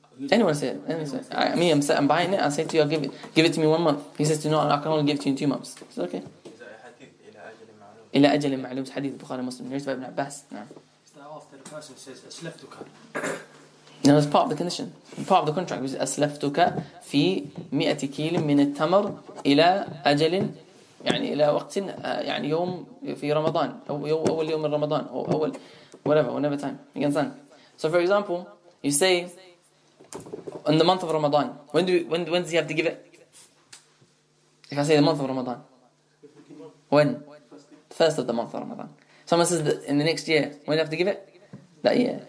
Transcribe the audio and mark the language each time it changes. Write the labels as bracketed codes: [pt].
[en] Anyone say it. I'm buying it. I'll say to you, I'll give it to me 1 month. He says to you, no, I can only give it to you in 2 months. It's okay. Is that a hadith [ar] إِلَى أَجَلٍ مَعْلُومٍ? إِلَى أَجَلٍ مَعْلُومٍ, [en] hadith of Bukhari Muslim. Narrated by Ibn Abbas. Is that after the person says, أَسْلَفْتُكَ? No, it's part of the condition. Part of the contract. [ar] It was أَسْلَفْتُكَ فِي مِئَةِ كِيلٍ مِنَ التَّمَرْ إِلَى أَجَلٍ يعني إلى وقت يعني يوم في رمضان أو أول يوم من رمضان أو أول [en] whatever time. You understand? So for example, you say in the month of Ramadan, when does he have to give it? If I say the month of Ramadan, when? First of the month of Ramadan. Someone says that in the next year, when do you have to give it? That year.